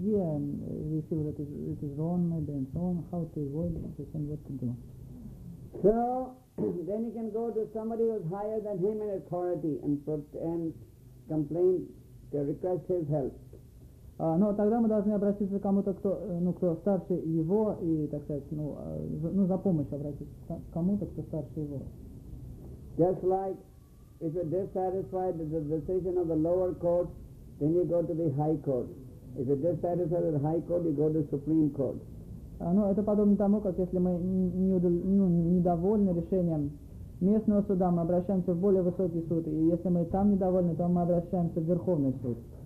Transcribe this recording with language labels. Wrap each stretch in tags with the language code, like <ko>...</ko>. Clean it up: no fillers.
<en>Yeah, we feel that it is wrong, maybe, and so on. How to avoid it and what to do. So. Then he can go to somebody who is higher than him in authority and complain, to request his help.</en> <ru>Но тогда мы должны обратиться к кому-то, кто старше его, и, так сказать, за помощью обратиться к кому-то, кто старше его.</ru> <en>Just like if you're dissatisfied with the decision of the lower court, then you go to the high court. If you're dissatisfied with high court, you go to Supreme Court.</en> <ru>Ну, это подобно тому, как если мы недовольны решением местного суда, мы обращаемся в более высокий суд, и если мы там недовольны, то мы обращаемся в Верховный суд.</ru>